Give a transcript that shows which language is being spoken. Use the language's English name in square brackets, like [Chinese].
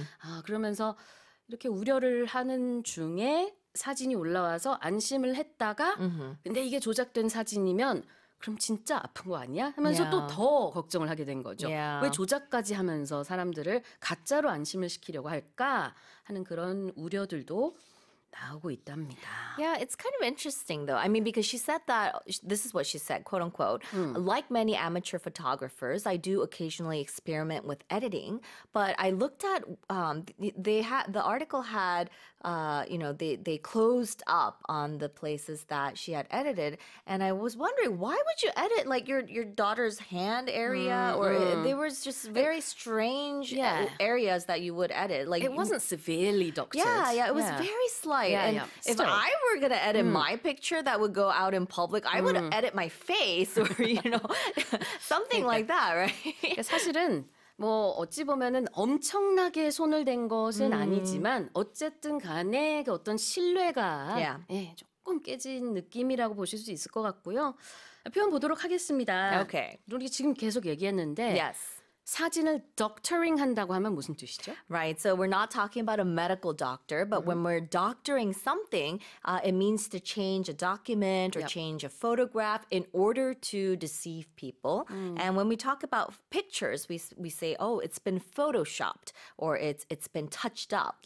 [Korean] 아, 그러면서 이렇게 우려를 하는 중에 사진이 올라와서 안심을 했다가 근데 이게 조작된 사진이면 그럼 진짜 아픈 거 아니야? 하면서 또 더 걱정을 하게 된 거죠. 왜 조작까지 하면서 사람들을 가짜로 안심을 시키려고 할까 하는 그런 우려들도 나오고 있답니다. [English] Yeah, it's kind of interesting though. I mean, because she said that, this is what she said, quote unquote, like many amateur photographers, I do occasionally experiment with editing, but I looked at, the article had, you know, they closed up on the places that she had edited. And I was wondering, why would you edit like your daughter's hand area? There was just very strange areas that you would edit. Like it wasn't severely doctored. Yeah, it was very slight. If I were going to edit my picture that would go out in public, I would edit my face or, you know, something like that, right? [Korean] 사실은 뭐 어찌 보면은 엄청나게 손을 댄 것은 아니지만 어쨌든 간에 그 어떤 신뢰가 조금 깨진 느낌이라고 보실 수 있을 것 같고요. 표현 보도록 하겠습니다. [English] Okay. [Korean] 우리 지금 계속 얘기했는데 [English] Yes. [Korean] 사진을 doctoring 한다고 하면 무슨 뜻이죠? [English] Right, so we're not talking about a medical doctor, but when we're doctoring something, it means to change a document or change a photograph in order to deceive people. And when we talk about pictures, we say, oh, it's been photoshopped or it's been touched up.